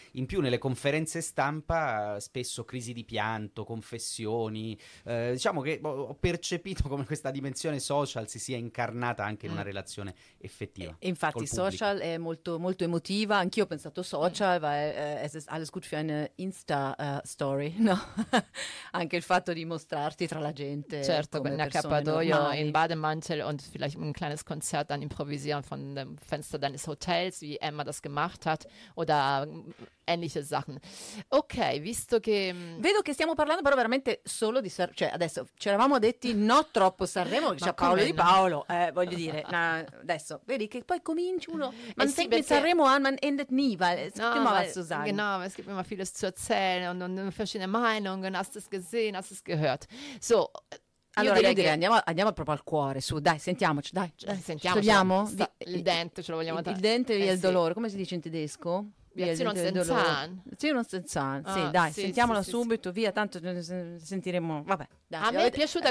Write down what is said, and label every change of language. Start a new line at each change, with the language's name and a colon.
Italian: In più, nelle conferenze stampa, spesso crisi di pianto, confessioni, diciamo che ho percepito come questa dimensione social si sia incarnata anche in una relazione effettiva. Infatti social è molto molto emotiva, anch'io ho pensato social,
German: weil es ist alles gut für eine Insta Story,
Italian: no? Anche il fatto di mostrarti tra la gente, certo, con l'accappatoio in
German: Bademantel und vielleicht ein kleines Konzert dann improvisieren von dem Fenster deines Hotels, wie Emma das gemacht hat, oder ähnliche Sachen.
Italian: Ok, visto che... Vedo che stiamo parlando però veramente solo di Sanremo, cioè adesso ci eravamo detti no troppo Sanremo, c'è Paolo Di Paolo, voglio dire, no, adesso, vedi che poi comincia uno,
German: man fängt mit Sanremo an, man endet nie, weil es gibt immer was zu sagen. Genau, es gibt immer vieles zu erzählen und verschiedene Meinungen, hast du es gesehen, hast du es gehört. So,
Italian: allora, io direi che... andiamo proprio al cuore, su, dai, sentiamoci, dai, sentiamoci. Sciogliamo? Il dente, ce lo vogliamo dare. Il dente e il dolore, come si dice in tedesco? Sì, dai, sì, sentiamola, sì, subito, sì. Via, tanto sentiremo. Vabbè, dai. A me è piaciuta.